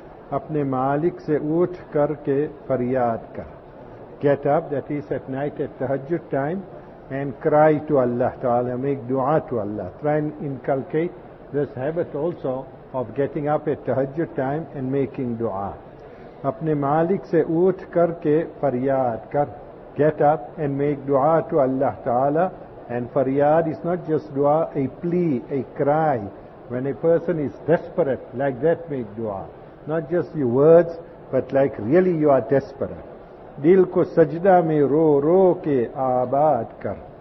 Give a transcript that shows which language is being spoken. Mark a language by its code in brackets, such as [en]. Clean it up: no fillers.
[ur] اپنے مالک سے اوٹھ کر کے فریاد کر. [en] Get up, that is at night at tahajjud time, and cry to Allah Ta'ala, make dua to Allah. Try and inculcate this habit also of getting up at tahajjud time and making dua. [ur] اپنے مالک سے اوٹھ کر کے فریاد کر. [en] Get up and make dua to Allah Ta'ala. And faryad is not just dua, a plea, a cry. When a person is desperate, like that make dua. Not just your words, but like really you are desperate. [ur] Dil ko sajda mein ro ro ke abad kar.